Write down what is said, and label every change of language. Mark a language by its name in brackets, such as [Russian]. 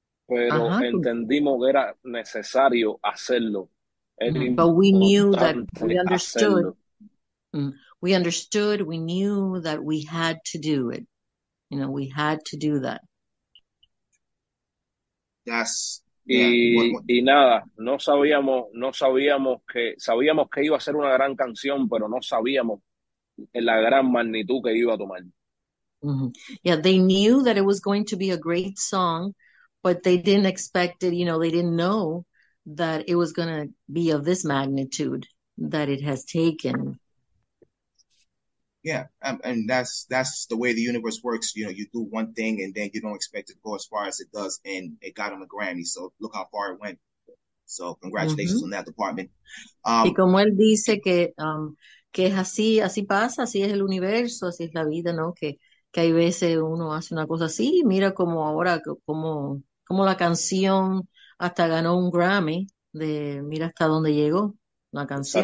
[Spanish] Pero uh-huh. entendimos que era necesario hacerlo. [English] But we knew that we understood. Hacerlo. We understood. We knew that we had to do it. You know, we had to do that. Yes. [Spanish] Y nada, no sabíamos que iba a ser una gran canción, pero no sabíamos en la gran magnitud que iba a tomar. Mm-hmm. [English] Yeah, they knew that it was going to be a great song, but they didn't expect it, you know, they didn't know that it was going to be of this magnitude that it has taken. Yeah, and that's the way the universe works. You know, you do one thing and then you don't expect it to go as far as it does, and it got him a Grammy, so look how far it went. So congratulations mm-hmm. on that department. [Spanish] Y como él dice que que es así, así pasa, así es el universo, así es la vida, ¿no? Que hay veces uno hace una cosa así, mira como ahora, como la canción hasta ganó un Grammy, de mira hasta dónde llegó la canción.